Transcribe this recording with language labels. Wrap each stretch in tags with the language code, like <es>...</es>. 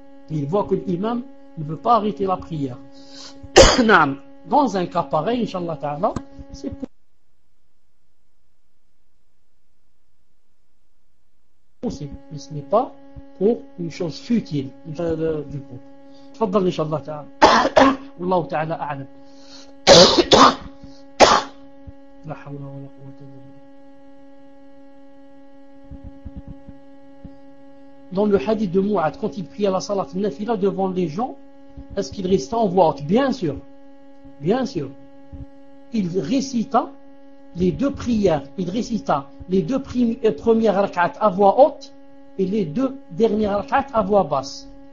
<fr>Et il voit que l'imam ne veut pas arrêter la prière. Dans un cas pareil, Inch'Allah ta'ala, c'est pour aussi, mais ce n'est pas pour une chose futile du coup.</fr> <ar>تفضل إن شاء الله تعالى والله تعالى أعلم لا حول ولا قوة إلا بالله.</ar> <fr>Dans le hadith de Mu'ad, quand il priait la salat nafila devant les gens, est-ce qu'il restait en voix haute? Bien sûr, bien sûr. Il récita les deux prières, il récita les deux premières rak'at à voix haute et les deux dernières rak'at à voix basse.</fr>